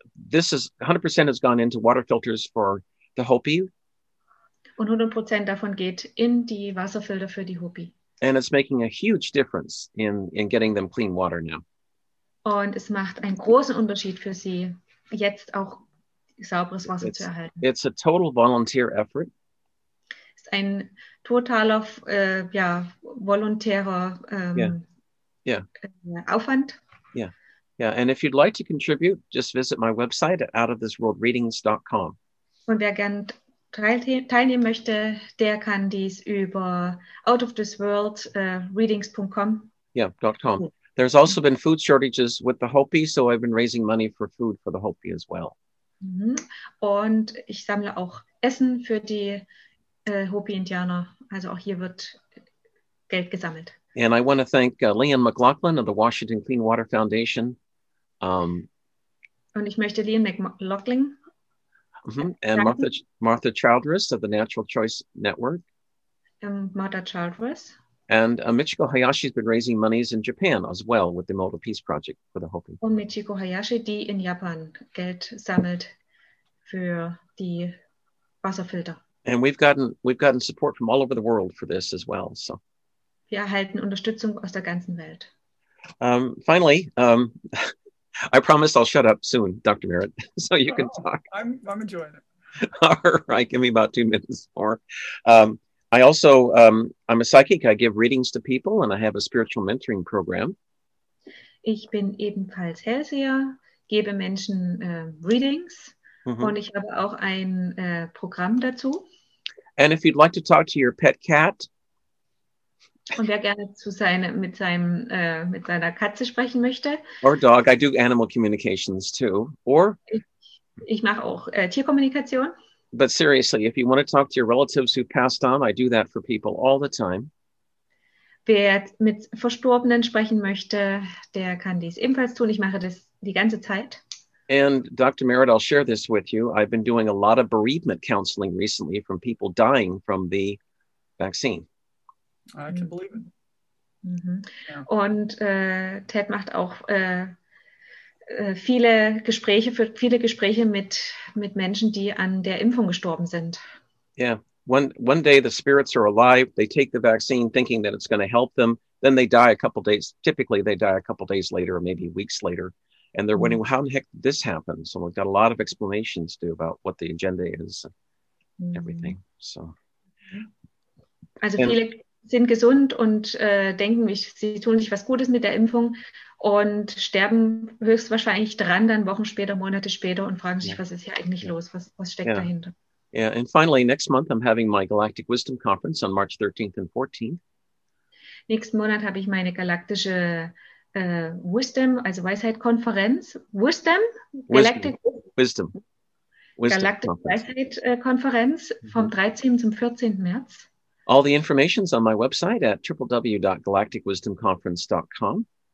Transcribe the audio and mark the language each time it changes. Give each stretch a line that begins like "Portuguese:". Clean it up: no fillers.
English: This is 100% has gone into water filters for the Hopi.
German: Und 100% davon geht in die Wasserfilter für die Hopi.
English: And it's making a huge difference in getting them clean water now.
German: Und es macht einen großen Unterschied für sie, jetzt auch sauberes Wasser zu erhalten.
English: It's a total volunteer effort.
German: Es ist ein totaler volontärer Aufwand.
English: Yeah. And if you'd like to contribute, just visit my website at outoftheworldreadings.com.
German: Und wer gern teilnehmen möchte, der kann dies über outoftheworldreadings.com.
English: .com. There's also been food shortages with the Hopi, so I've been raising money for food for the Hopi as well.
German: Und ich sammle auch Essen für die Hopi-Indianer. Also auch hier wird Geld gesammelt.
English: And I want to thank Leon McLaughlin of the Washington Clean Water Foundation.
German: Und ich möchte Leon McLaughlin.
English: And Martha Childress of the Natural Choice Network.
German: Martha Childress.
English: And Michiko Hayashi has been raising monies in Japan as well with the Moto Peace Project for the Hopi.
German: Und Michiko Hayashi, die in Japan Geld sammelt für die Wasserfilter.
English: And we've gotten support from all over the world for this as well. So.
German: Wir erhalten Unterstützung aus der ganzen Welt.
English: Finally, I promise I'll shut up soon, Dr. Merritt, so you can talk. I'm enjoying it. All right, give me about 2 minutes more. I also, I'm a psychic. I give readings to people, and I have a spiritual mentoring program.
German: Ich bin ebenfalls Hellseher, gebe Menschen readings, und ich habe auch ein Programm dazu.
English: And if you'd like to talk to your pet cat.
German: Und wer gerne mit seiner Katze sprechen möchte.
English: Or dog, I do animal communications too. Or
German: ich mache auch Tierkommunikation.
English: But seriously, if you want to talk to your relatives who passed on, I do that for people all the time.
German: Wer mit Verstorbenen sprechen möchte, der kann dies ebenfalls tun. Ich mache das die ganze Zeit.
English: And Dr. Merritt, I'll share this with you. I've been doing a lot of bereavement counseling recently from people dying from the vaccine. I can believe it. Yeah.
German: Und Ted macht auch viele Gespräche mit Menschen, die an der Impfung gestorben sind.
English: Yeah, one day the spirits are alive. They take the vaccine, thinking that it's going to help them. Then they die a couple days. Typically, they die a couple days later, or maybe weeks later, and they're wondering how in the heck did this happen. So we've got a lot of explanations to do about what the agenda is, and everything. So.
German: Also and, viele sind gesund und denken, sie tun sich was Gutes mit der Impfung und sterben höchstwahrscheinlich dran, dann Wochen später, Monate später und fragen sich, was ist hier eigentlich los? Was steckt dahinter?
English: Yeah, and finally, next month I'm having my Galactic Wisdom Conference on March 13th and 14th.
German: Nächsten Monat habe ich meine galaktische Wisdom, also Weisheit-Konferenz. Galaktische Weisheit-Konferenz vom 13. zum 14. März.
English: All the information is on my website at www.galacticwisdomconference.com.